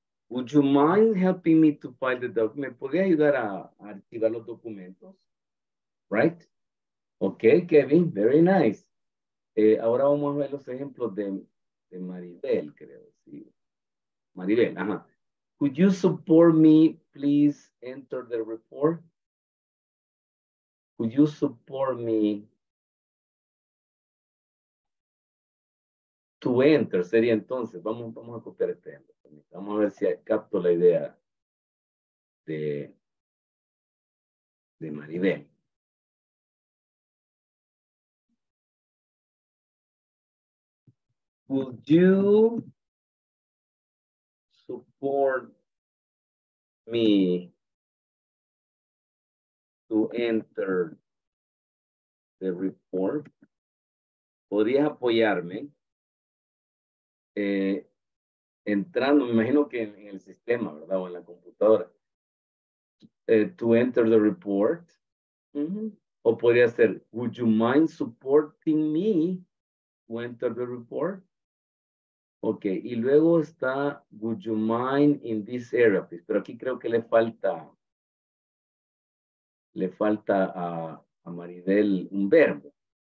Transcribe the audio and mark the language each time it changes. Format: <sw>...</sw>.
<en>Would you mind helping me to file the documents?</en> <es>¿Me podría ayudar a archivar los documentos?</es> <en>Right? Okay, Kevin, very nice.</en> <es>Ahora vamos a ver los ejemplos de Maribel, creo. ¿Sí? Maribel, ajá.</es> <en>Could you support me, please, enter the report? Could you support me to enter?</en> <es>Sería entonces, vamos a copiar este ejemplo. Vamos a ver si capto la idea de Maribel.</es> <en>Would you support me to enter the report?</en> <es>¿Podrías apoyarme? Entrando, me imagino que en el sistema, ¿verdad? O en la computadora.</es> <en>To enter the report.</en> <es>O podría ser,</es> <en>would you mind supporting me to enter the report? Ok,</en> <es>y luego está,</es> <en>would you mind in this area, please?</en> <es>Pero aquí creo que le falta a Maribel un verbo.</es>